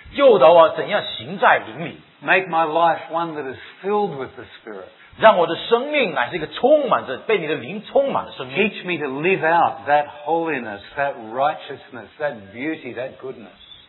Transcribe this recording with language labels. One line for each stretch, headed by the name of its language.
Chinese: 教导我怎样行在灵里。
English: Make my life one that is filled with the Spirit.
Chinese: 让我的生命乃是一个充满着被你的灵充满的生命。
English: Teach me to live out that holiness, that righteousness, that beauty, that goodness.